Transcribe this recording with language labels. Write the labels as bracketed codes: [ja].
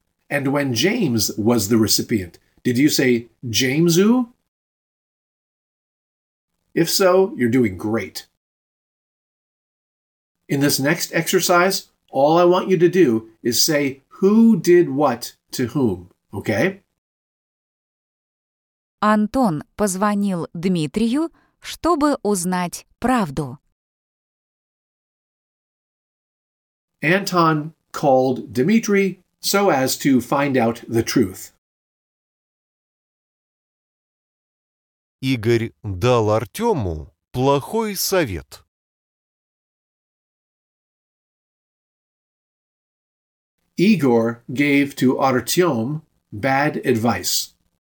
[en] And when James was the recipient, did you say Jamesu? If so, you're doing great. In this next exercise, all I want you to do is say who did what to whom, okay? [ru] Антон позвонил Дмитрию, чтобы узнать правду. [en] Anton called Dmitry so as to find out the truth. [ru] Игорь дал Артему плохой совет. [en] Igor gave to Artem bad advice.